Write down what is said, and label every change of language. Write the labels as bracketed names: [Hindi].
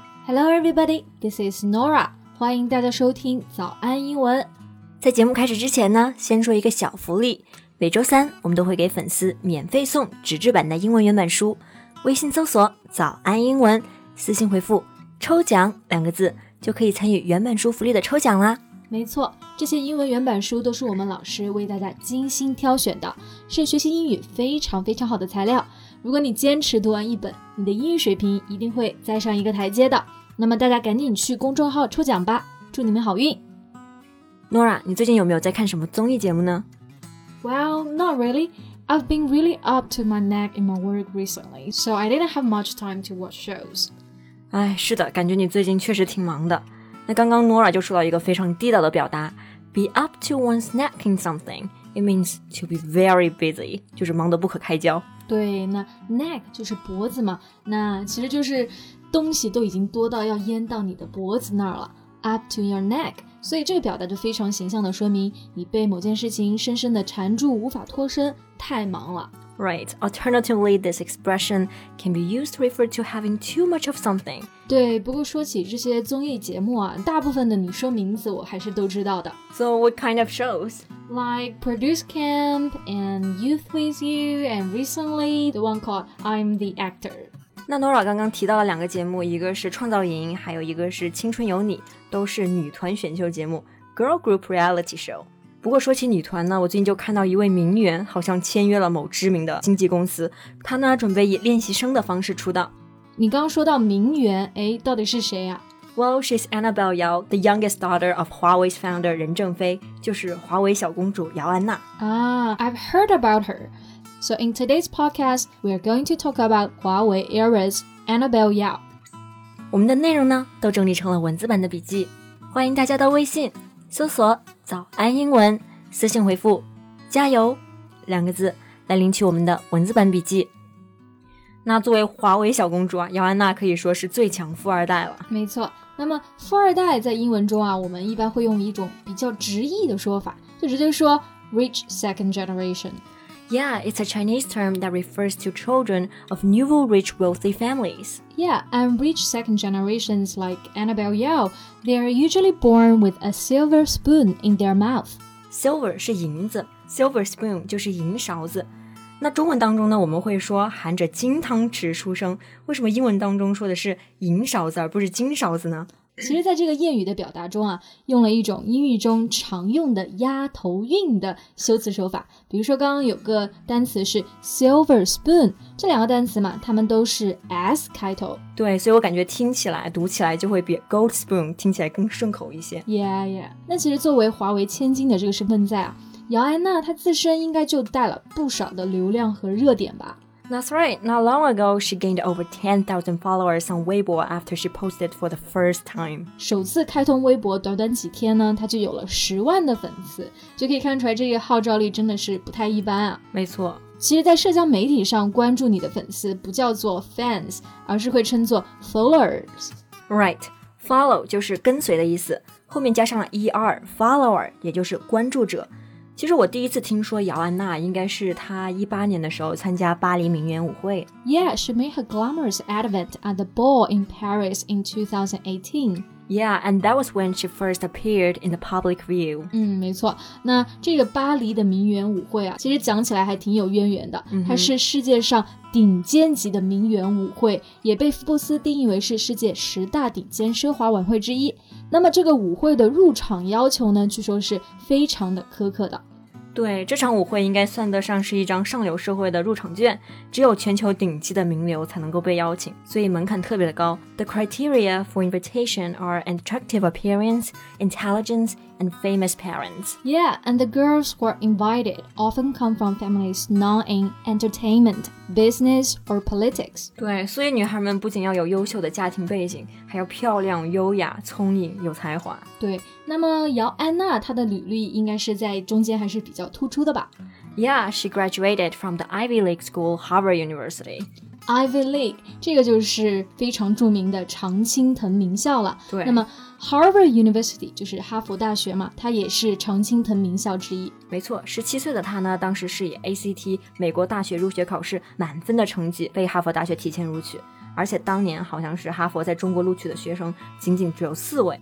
[English] Hello everybody, this is Nora. [Chinese] 欢迎大家收听早安英文。在节目开始之前呢，先说一个小福利。每周三我们都会给粉丝免费送纸质版的英文原版书。微信搜索早安英文，私信回复抽奖两个字，就可以参与原版书福利的抽奖啦。没错，这些英文原版书都是我们老师为大家精心挑选的，是学习英语非常非常好的材料。如果你坚持读完一本，你的英语水平一定会再上一个台阶的。那么大家赶紧去公众号抽奖吧，祝你们好运。 Nora, 你最近有没有在看什么综艺节目呢？ [English] Well, not really. I've been really up to my neck in my work recently, so I didn't have much time to watch shows. [Chinese] 哎，是的，感觉你最近确实挺忙的。那刚刚 Nora 就说到一个非常地道的表达， [English] be up to one's neck in something, it means to be very busy, [Chinese] 就是忙得不可开交。对，那 neck 就是脖子嘛，那其实就是东西都已经多到要淹到你的脖子那儿了， [English] up to your neck, [Chinese] 所以这个表达就非常形象的说明你被某件事情深深的缠住无法脱身，太忙了。 [English] Right, alternatively, this expression can be used to refer to having too much of something. [Chinese] 对，不过说起这些综艺节目啊，大部分的你说名字我还是都知道的。 [English] So what kind of shows? Like Produce Camp and Youth With You and recently the one called I'm the Actor. [Chinese] 那 Nora 刚刚提到了两个节目，一个是创造营，还有一个是青春有你，都是女团选秀节目 [English] Girl Group Reality Show。 [Chinese] 不过说起女团呢，我最近就看到一位名媛好像签约了某知名的经纪公司，她呢准备以练习生的方式出道。你刚说到名媛，哎，到底是谁啊？ [English] Well, she's Annabelle Yao, the youngest daughter of Huawei's founder 任正非， [Chinese] 就是华为小公主姚安娜。 [English] I've heard about her. So in today's podcast, we are going to talk about Huawei heiress Annabelle Yao. [Chinese] 我们的内容呢都整理成了文字版的笔记，欢迎大家到微信搜索早安英文，私信回复加油两个字来领取我们的文字版笔记。那作为华为小公主啊，姚安娜可以说是最强富二代了。没错，那么富二代在英文中啊，我们一般会用一种比较直译的说法，就直接说 [English] rich second generation。 Yeah, it's a Chinese term that refers to children of nouveau rich wealthy families. Yeah, and rich second generations like Annabelle Yao, they are usually born with a silver spoon in their mouth. [Chinese] Silver 是银子， silver spoon 就是银勺子。那中文当中呢，我们会说含着金汤匙出生，为什么英文当中说的是银勺子而不是金勺子呢？其实在这个谚语的表达中啊，用了一种英语中常用的押头韵的修辞手法。比如说刚刚有个单词是 silver spoon, 这两个单词嘛，它们都是 S 开头。对，所以我感觉听起来读起来就会比 gold spoon 听起来更顺口一些。 [English] Yeah, yeah. [Chinese] 那其实作为华为千金的这个身份在啊，姚安娜她自身应该就带了不少的流量和热点吧。 [English] That's right. Not long ago, she gained over 10,000 followers on Weibo after she posted for the first time. [Chinese] 首次开通微博短短几天呢，她就有了10万的粉丝，就可以看出来这个号召力真的是不太一般啊。没错，其实在社交媒体上关注你的粉丝不叫做 fans, 而是会称作 followers. [English] Right. [Chinese] Follow 就是跟随的意思，后面加上了 er, follower 也就是关注者。其实我第一次听说姚安娜应该是她2018年的时候参加巴黎名媛舞会。 [English] Yeah, she made her glamorous advent at the ball in Paris in 2018. Yeah, and that was when she first appeared in the public view. [Chinese] 嗯，没错，那这个巴黎的名媛舞会啊，其实讲起来还挺有渊源的。它是世界上顶尖级的名媛舞会，也被福布斯定义为是世界十大顶尖奢华晚会之一。那么这个舞会的入场要求呢，据说是非常的苛刻的。对，这场舞会应该算得上是一张上流社会的入场券，只有全球顶级的名流才能够被邀请，所以门槛特别的高。 [English] The criteria for invitation are an attractive appearance, intelligence, and famous parents. Yeah, and the girls who are invited often come from families not in entertainment, business, or politics. [Chinese] 对，所以女孩们不仅要有优秀的家庭背景，还要漂亮、优雅、聪颖、有才华。对，那么姚安娜她的履历应该是在中间还是比较突出的吧。 [English] Yeah, she graduated from the Ivy League school, Harvard University. [Chinese] Ivy League， 这个就是非常著名的常青藤名校了。对，那么Harvard University 就是哈佛大学嘛，他也是常青藤名校之一。没错，17岁的他呢，当时是以 ACT 美国大学入学考试满分的成绩被哈佛大学提前录取，而且当年好像是哈佛在中国录取的学生仅仅只有四位。